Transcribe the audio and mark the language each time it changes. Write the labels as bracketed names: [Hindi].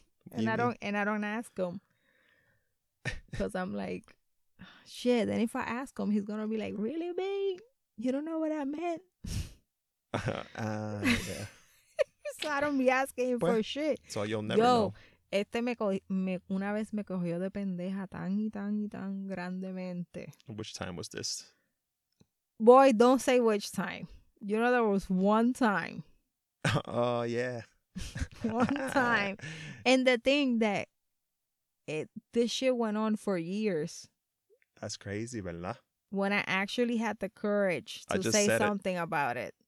[English] And I don't ask him. Because I'm like, shit, then if I ask him, he's gonna be like, really, babe? You don't know what I meant? yeah. So I don't be asking him for shit. So you'll never know. [Spanish] Este me, una vez me cogió de pendeja tan y tan y tan grandemente. [English] Which time was this? Boy, don't say which time. You know, there was one time. Oh, yeah. One time. And the thing that this shit went on for years. That's crazy, [Spanish] ¿verdad? [English] When I actually had the courage to say something about it.